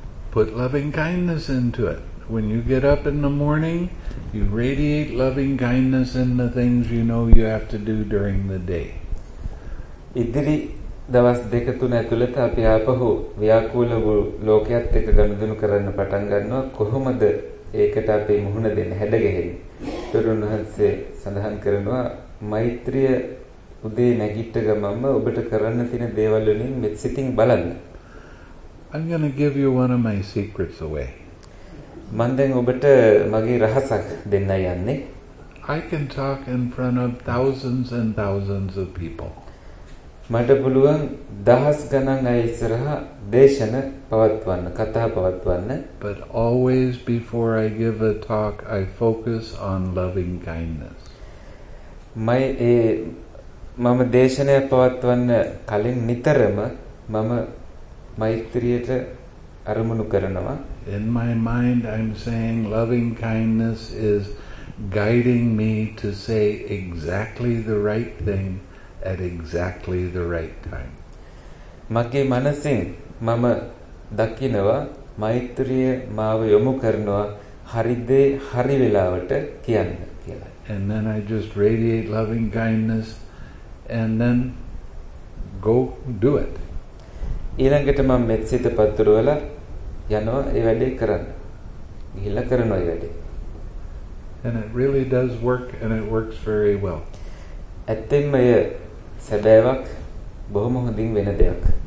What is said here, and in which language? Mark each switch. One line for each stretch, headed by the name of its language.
English: Put loving kindness into it. When you get up in the morning, you radiate loving kindness in the things you know you have to do during the day.
Sinhala: ඉදිරි දවස් දෙක තුන ඇතුළත අපි ආපහු ව්‍යාකූල ලෝකයක් එක්ක ගනුදෙනු කරන්න පටන් ගන්නවා කොහොමද ඒකට අපි මුහුණ දෙන්න හැදගෙන්නේ. බුදුන් වහන්සේ සඳහන් කරනවා මෛත්‍රිය උදේ නැගිට ගමන්ම ඔබට කරන්න තියෙන දේවල් වලින් මෙත් සිතින් බලන්න.
English: I'm going to give you one of my secrets away.
Sinhala: මම දැන් ඔබට මගේ රහසක් දෙන්න යන්නේ.
English: I can talk in front of thousands and thousands of people.
Sinhala: මට පුළුවන් දහස් ගණන් අය ඉස්සරහා දේශන පවත්වන්න, කතා පවත්වන්න.
English: But always before I give a talk, I focus on loving kindness.
Sinhala: මම දේශනය පවත්වන්න කලින් නිතරම මම මෛත්‍රියට අරමුණු කරනවා.
English: In my mind I'm saying loving kindness is guiding me to say exactly the right thing at exactly the right time.
Sinhala: මගේ මනසින් මම දකිනවා මෛත්‍රිය මාව යොමු කරනවා හරි දේ හරි වෙලාවට කියන්න කියලා.
English: And then I just radiate loving kindness and then go do it.
Sinhala: ඊළඟට මම මෙත් සිත පතුරවලා යනවා ඒ වැඩේ කරන්න. ගිහිල්ලා කරනවා ඒ වැඩේ.
English: And it really does work and it works very well.
Sinhala: ඇත්තෙන්ම එය සැබෑවක් බොහොම හොඳින් වෙන දෙයක්.